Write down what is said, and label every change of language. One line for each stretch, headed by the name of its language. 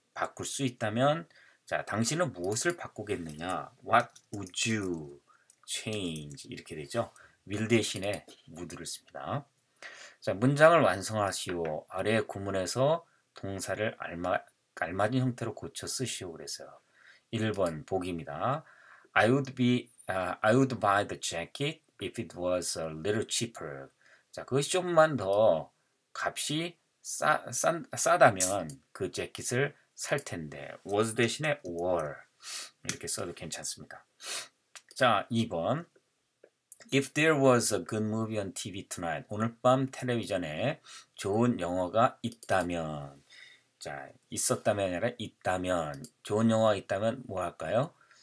Korean: 바꿀 수 있다면, 자, 당신은 무엇을 바꾸겠느냐?
English: What would you change?
Korean: 이렇게 되죠. Will 대신에 would를 씁니다. 자, 문장을 완성하시오. 아래 구문에서 동사를 알맞은 형태로 고쳐 쓰시오 그랬어요. 1번 보기입니다.
English: I would buy the jacket if it was a little cheaper.
Korean: 자, 그것이 좀만 더 값이 싸다면 그 재킷을 살 텐데. was 대신에 were 이렇게 써도 괜찮습니다. 자, 2번.
English: If there was a good movie on TV tonight.
Korean: 오늘 밤 텔레비전에 좋은 영화가 있다면. 자, 있었다면 아니라 있다면. 좋은 영화가 있다면 뭐 할까요?